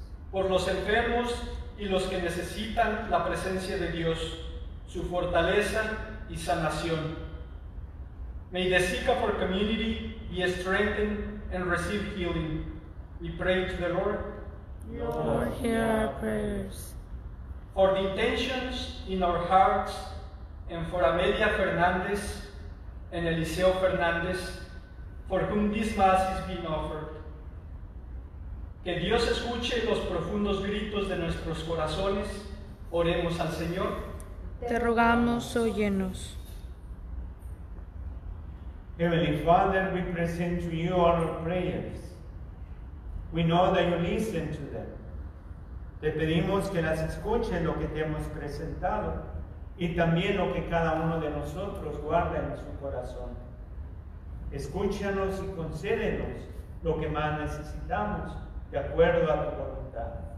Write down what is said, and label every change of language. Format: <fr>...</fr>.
<es>Por los enfermos y los que necesitan la presencia de Dios, su fortaleza y sanación,</es> <en>may the sick of our community be strengthened and receive healing. We pray to the Lord. Lord, hear our prayers. For the intentions in our hearts and for Amelia Fernandez and Eliseo Fernandez, for whom this Mass is being offered.</en> <es>Que Dios escuche los profundos gritos de nuestros corazones. Oremos al Señor. Te rogamos, óyenos.</es> <en>Heavenly Father, we present to you our prayers. We know that you listen to them.</en> <es>Te pedimos que las escuche lo que te hemos presentado y también lo que cada uno de nosotros guarda en su corazón. Escúchanos y concédenos lo que más necesitamos de acuerdo a tu voluntad.</es>